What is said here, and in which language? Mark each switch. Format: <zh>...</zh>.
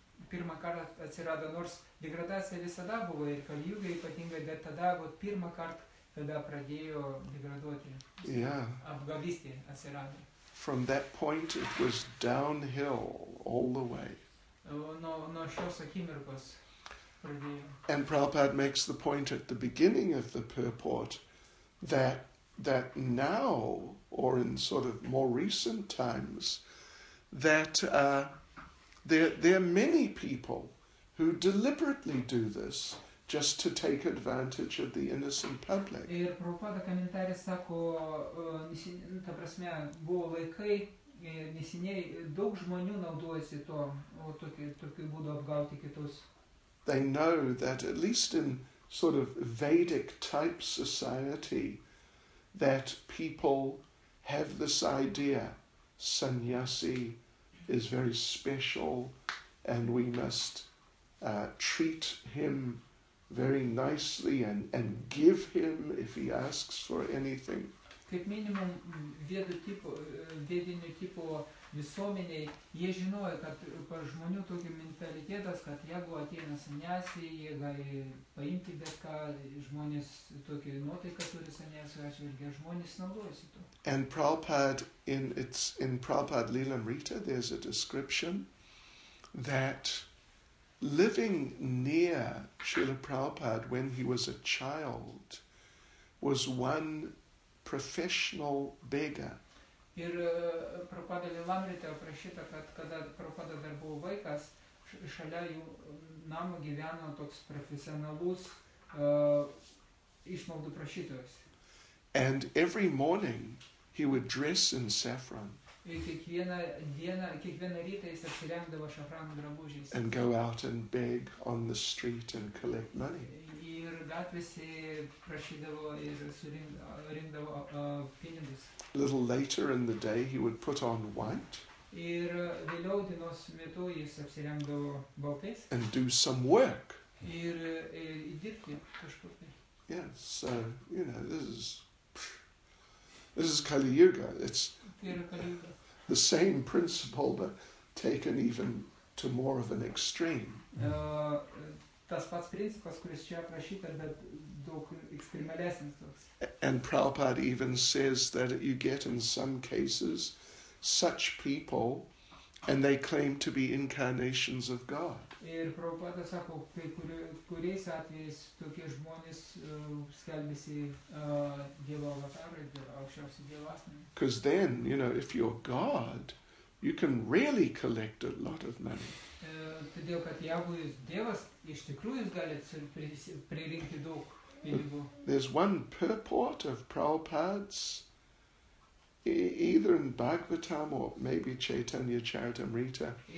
<lt>Pirmą kartą atsirado, nors degradacija visada buvo ir kaljūgai ypatingai, bet tada vat, pirmą kartą tada pradėjo degraduoti, apgavystė atsirado.</lt> <en>From that point it was downhill all the way.</en> <lt>Nuo šios akimirkos pradėjo.</lt> <en>And Prabhupada makes the point at the beginning of the purport that now, or in sort of more recent times, that There are many people who deliberately do this just to take advantage of the innocent public.</en> <lt>Ir Prabhupada komentarė sako, ta prasme, buvo laikai, neseniai daug žmonių naudojasi to, tokiu būdu apgauti kitus.</lt> <en>They know that at least in sort of Vedic type society that people have this idea, sannyasi is very special and we must treat him very nicely and give him if he asks for anything.</en> <lt>Kaip minimum vedinių tipo visuomeniai, jie žinojo, kad pas žmonių tokio mentalitetas, kad jeigu ateina sanjasi, jie gali paimti bet ką, žmonės tokio nuotaiką turi sanjasi, atvirgi, žmonės naudojasi to.</lt> <en>And Prabhupada, in Prabhupada Lilamrita, there's a description that living near Srila Prabhupada when he was a child was one professional beggar.</en> <lt>Ir Prabhupada Lilamrita aprašyta, kad kada Prabhupada dar buvo vaikas, šalia jų namo gyveno toks profesionalus išmaldų prašytojas.</lt> <en>And every morning he would dress in saffron.</en> <lt>Ir kiekvieną rytą jis apsirengdavo šafrano drabužiais.</lt> <en>And go out and beg on the street and collect money.</en> <lt>Ir gatvėse prašydavo ir surinkdavo pinigus.</lt> <en>A little later in the day he would put on white</en> <lt>ir vėliau dienos metu jis apsirengdavo baltais</lt> <en>and do some work</en> <lt>ir dirbti kažkur.</lt> <en>Yeah, so you know this is Kali Yuga, it's the same principle but taken even to more of an extreme.</en> <lt>Tas pats principas, kuris čia aprašyta, bet daug ekstremalesnis toks.</lt> <en>And Prabhupada even says that you get in some cases such people and they claim to be incarnations of God.</en> <lt>Ir Prabhupada sako, kuriais atvejais tokie žmonės skelbėsi Dievo avatarai, aukščiausi Dievo asmenys.</lt> <en>Because then, you know, if you're God, you can really collect a lot of money.</en> <lt>Todėl, kad jeigu jūs Dievas, iš tikrųjų jūs galite pririnkti daug.</lt> <en>There's one purport of Prabhupada's, either in Bhagavatam or maybe Chaitanya Charitamrita.</en>